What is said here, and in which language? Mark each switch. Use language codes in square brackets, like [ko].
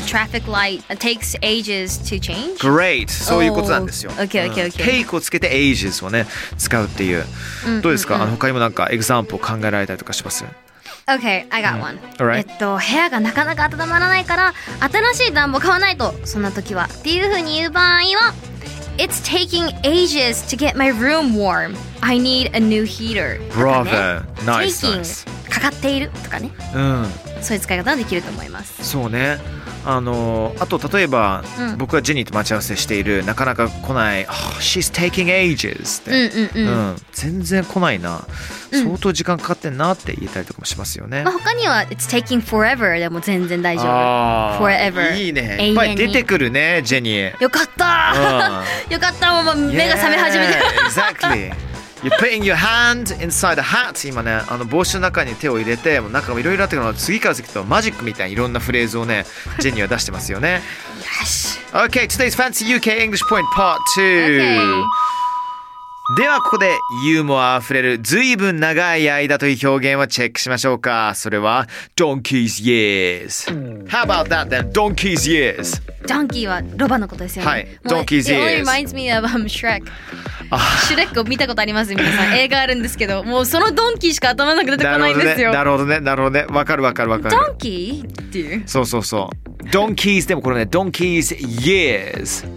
[en] The traffic light takes ages to change? Great! [ja] そういうことなんですよ。 [en] Oh. Okay, okay, okay. [ja] Take をつけて ages をね、使うっていう。どうですか? 他にもなんかエグザンプを考えられたりとかします? [en] Okay, I got one.、うん、 All right. [ja] 部屋がなかなか温まらないから、新しい暖房買わないと、そんな時は。っていうふうに言う場合は、 [en] It's taking ages to get my room warm. I need a new heater. Bravo!、ね、nice, taking nice. [ja] かかっているとかね。うん。そういう使い方ができると思います。そうね。あと例えば、うん、僕がジェニーと待ち合わせしているなかなか来ない、 [en] oh, She's taking ages [ja] って、うんうんうんうん、全然来ないな、うん、相当時間かかってんなって言えたりとかもしますよね、まあ、他には [en] It's taking forever [ja] でも全然大丈夫。 [en] Forever [ja] いいね。いっぱい出てくるねジェニー。よかった、うん、よかった。もう目が覚め始めて、 [en] yeah, ExactlyYou're putting your hand inside a hat. [ja] 今ね、あの帽子の中に手を入れて、もう中もいろいろあったけど、次から次とマジックみたいにいろんなフレーズをね、ジェニーは出してますよね。よし。 [en] Okay, today's fancy UK English point part two. Okay. [ja] ではここでユーモアあふれる随分長い間という表現をチェックしましょうか。それは Donkey's years. [en] How about that then? Donkey's years. [ja] Donkey はロバのことですよね。 [en] はい。Donkey's years. It only reminds me of Shrek. [ja] シュレックを見たことあります皆さん。映画あるんですけど、もうそのドンキーしか頭なく出てこないんですよ。なるほどね、なるほどね、わかるわかるわかる。ドンキーっていう。そうそうそう。ドンキーズでもこれね、ドンキーズ years。